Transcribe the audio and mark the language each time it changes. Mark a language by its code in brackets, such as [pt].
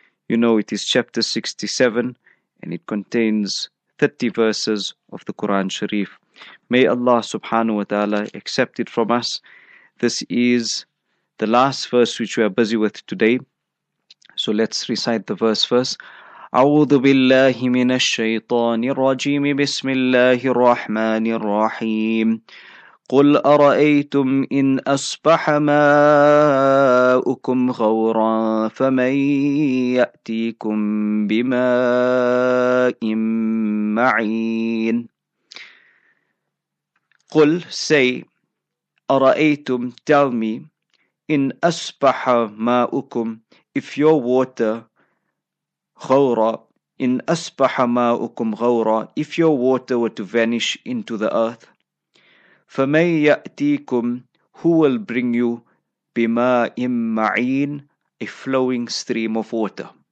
[en] You know it is chapter 67 and it contains 30 verses of the Quran Sharif. May Allah subhanahu wa ta'ala accept it from us. This is the last verse which we are busy with today. So let's recite the verse first. [ar] أعوذ بالله من الشيطان الرجيم بسم الله الرحمن الرحيم قل أرأيتم إن أصبح ماؤكم غورا فمن يأتيكم بماء معين. قل, [en] say, [ar] أرأيتم, [en] tell me, [ar] إن أصبح ماؤكم, [en] if your water [ar] غورا, إن أصبح ماؤكم غورا, [en] if your water were to vanish into the earth, [ar] فَمَنْ يَأْتِيكُمْ, [en] who will bring you, [ar] بِمَاءٍ مَعِينٍ, [en] a flowing stream of water.